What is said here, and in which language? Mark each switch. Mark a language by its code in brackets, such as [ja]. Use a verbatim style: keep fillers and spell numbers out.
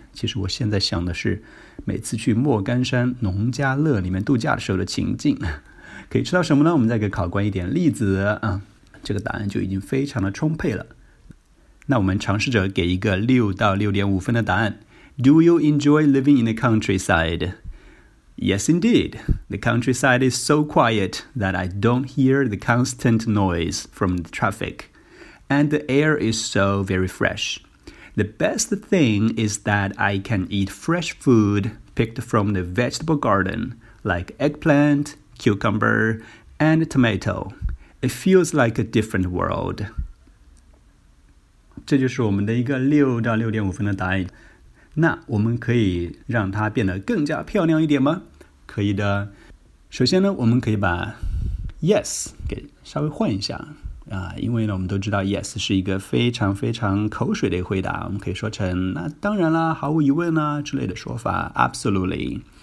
[zh] 其实我现在想的是每次去莫干山农家乐里面度假的时候的情境。可以吃到什么呢？我们再给考官一点例子啊，这个答案就已经非常的充沛了。那我们尝试着给一个六到六点五分的答案。 [en] Do you enjoy living in the countryside? Yes, indeed. The countryside is so quiet that I don't hear the constant noise from the traffic. And the air is so very fresh. The best thing is that I can eat fresh food picked from the vegetable garden, like eggplant, cucumber, and tomato. It feels like a different world. [zh] 这就是我们的一个六到六点五分的答案。那我们可以让它变得更加漂亮一点吗？可以的。首先呢，我们可以把 yes 给稍微换一下啊，因为呢，我们都知道 yes 是一个非常非常口水的回答，我们可以说成那当然啦、毫无疑问啦、之类的说法 ，absolutely。